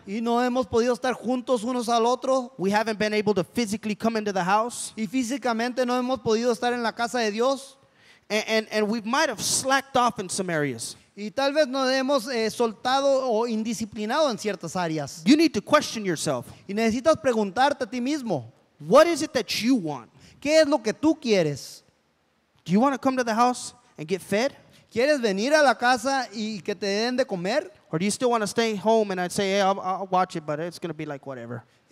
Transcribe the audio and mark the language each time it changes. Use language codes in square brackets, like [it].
[es] Y no hemos podido estar juntos unos al otro. [en] We haven't been able to physically come into the house. [es] Y físicamente no hemos podido estar en la casa de Dios. [en] And we might have slacked off in some areas. [es] Y tal vez nos hemos soltado o indisciplinado en ciertas áreas. [en] You need to question yourself. [es] Y necesitas preguntarte a ti mismo. [en] What is it that you want? [es] ¿Qué es lo que tú quieres? [en] Do you want to come to the house and get fed? [es] ¿Quieres venir a la casa y que te den de comer? [en] Or do you still want to stay home and I'd say, hey, I'll watch it, but it's going to be like whatever.